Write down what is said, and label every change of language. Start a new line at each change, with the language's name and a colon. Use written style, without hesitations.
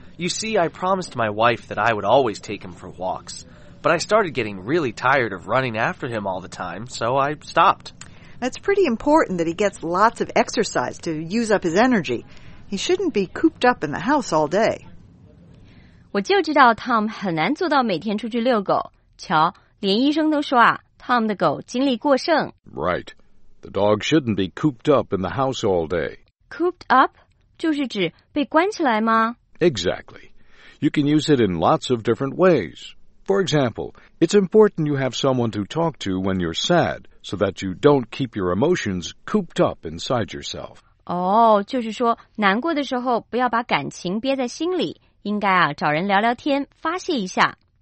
English: You see, I promised my wife that I would always take him for walks. But I started getting really tired of running after him all the time, so I stopped. That's pretty important that he gets lots of exercise to use up his energy. He shouldn't be cooped up in the house all day.
Chinese: 我就知道 Tom 很难做到每天出去遛狗。瞧，连医生都说啊， Tom 的狗精力过剩。
English: Right. The dog shouldn't be cooped up in the house all day. Cooped up?
Chinese: 就是指被关起来吗？
English: Exactly. You can use it in lots of different ways. For example, it's important you have someone to talk to when you're sad. So that you don't keep your emotions cooped up inside yourself.
Chinese: Oh, 就是说难过的时候不要把感情憋在心里，应该啊找人聊聊天发泄一下。